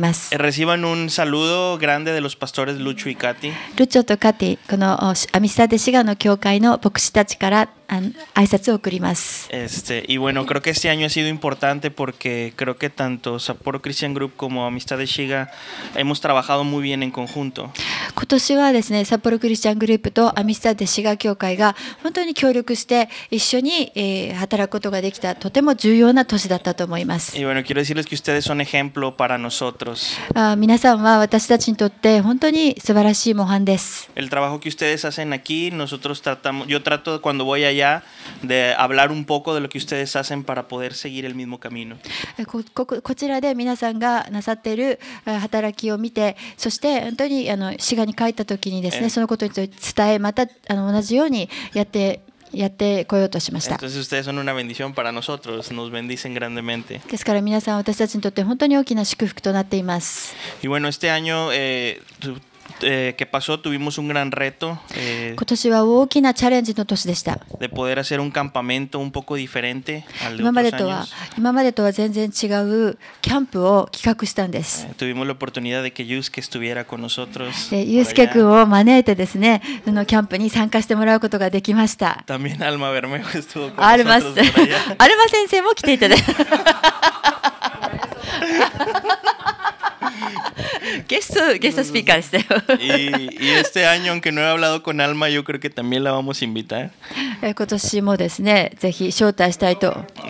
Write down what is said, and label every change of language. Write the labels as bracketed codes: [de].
[es] Reciban un saludo grande de los pastores Lucho y Katy. [ja] Lucho y Katy, このアミスタデシガの教会の牧師たちから挨拶を送ります。 [es] Y bueno, creo que este año ha sido importante porque creo que tanto Sapporo Christian Group como Amistad de Shiga hemos trabajado muy bien en conjunto. [ja] 今年はですね、サッポロクリスチャングループとアミスタデシガ教会が本当に協力して一緒に働くことができたとても重要な年だったと思います。 [es] Y bueno, quiero decirles que ustedes son ejemplo para nosotros. [ja] 皆さんは私たちにとって本当に素晴らしい模範です。 [es] El trabajo que ustedes hacen aquí, nosotros tratamos, yo trato cuando voy allá de hablar un poco de lo que ustedes hacen para poder seguir el mismo camino. [ja] こちらで皆さんがなさっている働きを見て、そして本当に滋賀に帰った時にですね、そのことについて伝え、また同じようにやってこようとしました。 [es] Entonces ustedes son una bendición para nosotros, nos bendicen grandemente. [ja] ですから皆さん、私たちにとって本当に大きな祝福となっています。 [es] Y bueno, este año, que pasó, tuvimos un gran reto. [ja] 今年は大きなチャレンジの年でした。 [es] De poder hacer un campamento un poco diferente al de otros años. [ja] 今までとは全然違うキャンプを企画したんです。 [es] Tuvimos la oportunidad de que Yusuke estuviera con nosotros. [ja] Yusuke君を招いてですね、そのキャンプに参加してもらうことができました。 [es] También Alma Bermejo estuvo con nosotros. Alma, [ja] Alma 先生も来ていただゲストスピーカーでしたよ。 [es] Y este año, aunque no he hablado con Alma, yo creo que también la vamos a invitar. [ja] 今年もですね、ぜひ招待したいと。